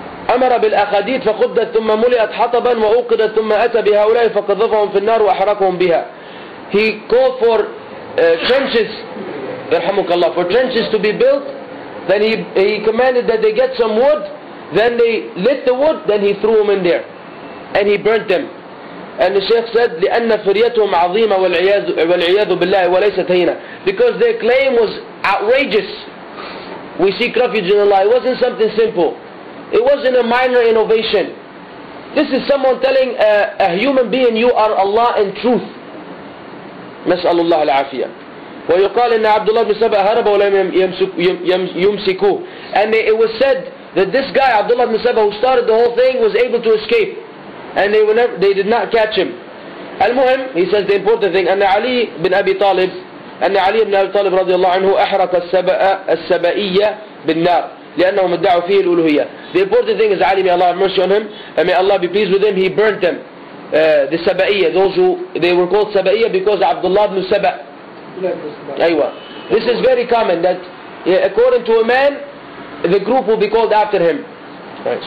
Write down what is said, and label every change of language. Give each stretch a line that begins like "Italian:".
Arabic: أمر بالأخاديد فخدت ثم ملئت حطبا وأوقدت ثم أتى بهؤلاء فقذفهم في النار وأحرقهم بها.
English: He called for trenches,
Arabic: رحمك الله,
English: for trenches to be built. Then he commanded that they get some wood. Then they lit the wood, then he threw them in there. And he burnt them. And the Shaykh said,
Arabic: لأن فريتهم عظيمة والعياذ بالله وليست هينة.
English: Because their claim was outrageous. We seek refuge in Allah. It wasn't something simple. It wasn't a minor innovation. This is someone telling a human being, you are Allah in truth.
Arabic: نسأل الله العافية. ويقال إن عبد الله بن سبأ هرب ولم يمسكوه.
English: And it was said that this guy, Abdullah ibn Sabah, who started the whole thing, was able to escape. And they did not catch him. Al-Muhim, he says the important thing,
Arabic: أن علي بن أبي طالب, أن علي بن أبي طالب رضي الله عنه أحرق السبائية بالنار لأنهم ادعوا فيه الألوهية.
English: The important thing is Ali, may Allah have mercy on him, and may Allah be pleased with him, he burnt them. The Sabaiyya, those who, they were called Sabaiyya because Abdullah ibn Sabah. Aywa. This is very common that according to a man, the group will be called after him. Right.